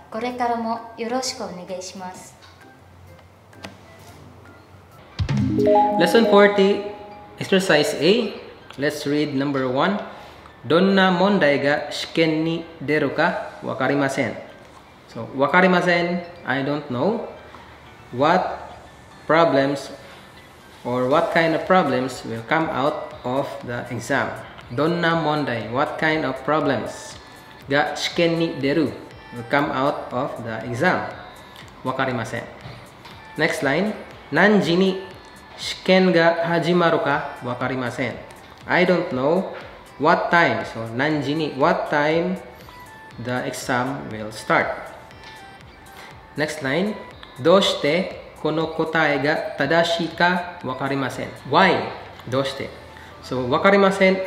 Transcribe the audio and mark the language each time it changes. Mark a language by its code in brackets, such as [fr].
[ja] これからもよろしくお願いします。 [en] Lesson 40, Exercise A. Let's read number 1. [ja] どんな問題が試験に出るかわかりません。 [en] So, [ja] わかりません。 [en] I don't know. What problems or what kind of problems will come out of the exam? [ja] どんな問題? [en] What kind of problems [ja] が試験に出る? [en] Will come out of the exam? [ja] わかりません。 [en] Next line. [ja] 何時に試験が始まるかわかりません。 [en] I don't know what time, so [ja] 何時に [en] what time the exam will start. Next line, [ja] どうしてこの答えが正しいかわかりません。 [en] Why? [ja] どうして? So わかりません。